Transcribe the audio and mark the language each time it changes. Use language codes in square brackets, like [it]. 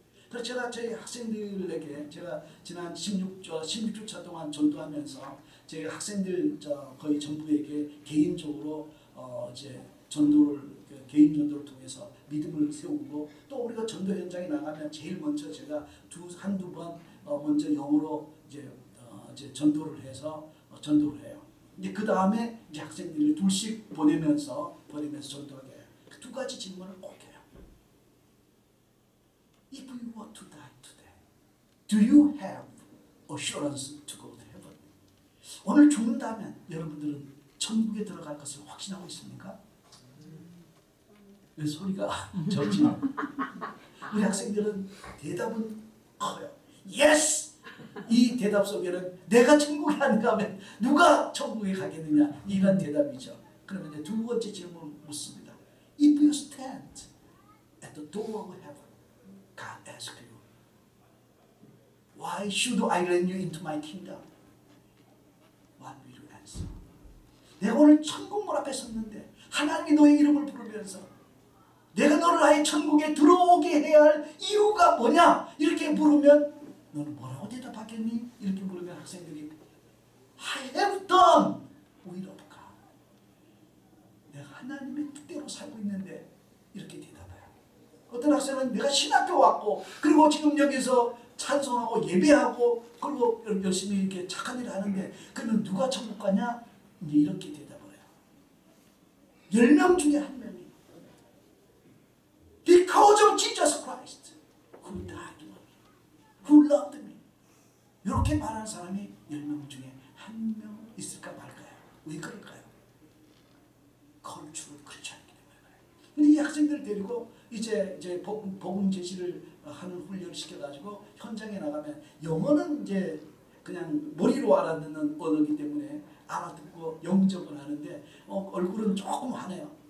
[ko] 그래서 제가 저희 학생들에게 제가 지난 16주차 동안 전도하면서 제 학생들 거의 전부에게 개인적으로 이제 개인 전도를 통해서 믿음을 세우고 또 우리가 전도 현장에 나가면 제일 먼저 제가 한두 번 먼저 영어로 이제 전도를 해서 전도를 해요. 이제 그 다음에 학생들을 둘씩 보내면서 전도하게 해요. 그 두 가지 질문을 꼭 해요. [en] If we were to die today, do you have assurance to go to heaven? [ko] 오늘 죽는다면 여러분들은 천국에 들어갈 것을 확신하고 있습니까? 왜 소리가 적지만 우리 학생들은 대답은 커요. [en] Yes! [ko] 이 대답 속에는 내가 천국에 안 가면 누가 천국에 가겠느냐 이런 대답이죠. 그러면 이제 두 번째 질문을 묻습니다. [en] If you stand at the door of heaven, God asks you, Why should I let you into my kingdom? What will you answer? [ko] 내가 오늘 천국 문 앞에 섰는데 하나님이 너의 이름을 부르면서 내가 너를 아예 천국에 들어오게 해야 할 이유가 뭐냐 이렇게 물으면 너는 뭐라고 대답하겠니? 이렇게 물으면 학생들이 [en] I have done will of God. [ko] 내가 하나님의 뜻대로 살고 있는데 이렇게 대답해요. 어떤 학생은 내가 신학교 왔고 그리고 지금 여기서 찬송하고 예배하고 그리고 열심히 이렇게 착한 일을 하는데 그러면 누가 천국 가냐? 이제 이렇게 대답을 해요. 10명 중에 한 명이 [en] Because of Jesus Christ who died. Who loved me? [ko] 이렇게 말한 사람이 10명 중에 한 명 있을까 말까요? 왜 그럴까요? 컬처가 그렇지 않기 때문에 그래요. 근데 이 학생들 청년을 데리고 이제 복음 제시를 하는 훈련을 시켜가지고 현장에 나가면 영어는 이제 그냥 머리로 알아듣는 언어이기 때문에 알아듣고 영접을 하는데 얼굴은 조금 하네요.